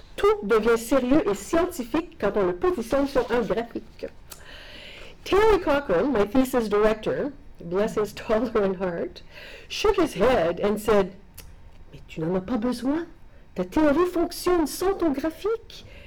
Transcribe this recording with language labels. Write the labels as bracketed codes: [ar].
[fr] Tout devient sérieux et scientifique quand on le positionne sur un graphique. [en] Terry Cochran, my thesis director, bless his tolerant heart, shook his head and said, [fr] mais tu n'en as pas besoin. Ta théorie fonctionne sans ton graphique.